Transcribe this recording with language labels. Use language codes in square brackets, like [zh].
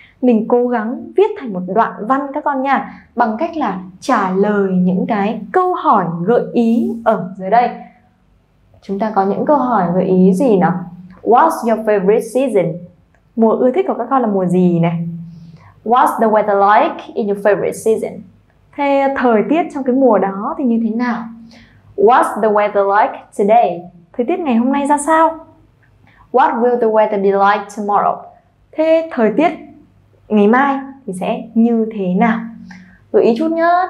[vi] Mình cố gắng viết thành một đoạn văn các con nha, bằng cách là trả lời những cái câu hỏi gợi ý ở dưới đây. Chúng ta có những câu hỏi gợi ý gì nào? [en] What's your favorite season? [vi] Mùa ưa thích của các con là mùa gì này? [en] What's the weather like in your favorite season? [vi] Thế thời tiết trong cái mùa đó thì như thế nào? [en] What's the weather like today? [vi] Thời tiết ngày hôm nay ra sao? [en] What will the weather be like tomorrow? [vi] Thế thời tiết ngày mai thì sẽ như thế nào? Gợi ý chút nhá.